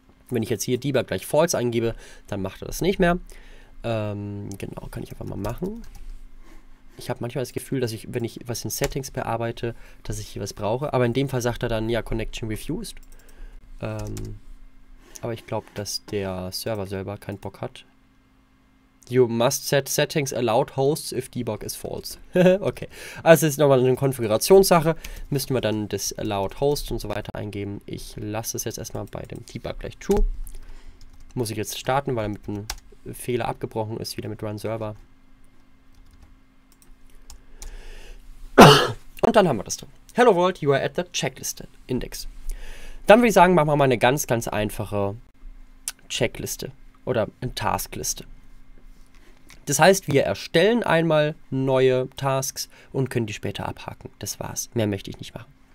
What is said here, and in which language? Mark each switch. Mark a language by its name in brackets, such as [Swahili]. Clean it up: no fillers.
[German] Wenn ich jetzt hier Debug gleich False eingebe, dann macht er das nicht mehr. Genau, kann ich einfach mal machen. Ich habe manchmal das Gefühl, dass ich, wenn ich was in Settings bearbeite, dass ich hier was brauche. Aber in dem Fall sagt er dann, ja, [English] Connection refused. [German] Aber ich glaube, dass der Server selber keinen Bock hat. [English] You must set settings allowed hosts if debug is false. Okay. [German] Also das ist nochmal eine Konfigurationssache. Müssten wir dann das allowed host und so weiter eingeben. Ich lasse es jetzt erstmal bei dem debug gleich true. Muss ich jetzt starten, weil er mit einem Fehler abgebrochen ist, wieder mit run server. Und dann haben wir das drin. [English] Hello world, you are at the checklist index. [German] Dann würde ich sagen, machen wir mal eine ganz, ganz einfache Checkliste oder eine Taskliste. Das heißt, wir erstellen einmal neue Tasks und können die später abhaken. Das war's. Mehr möchte ich nicht machen.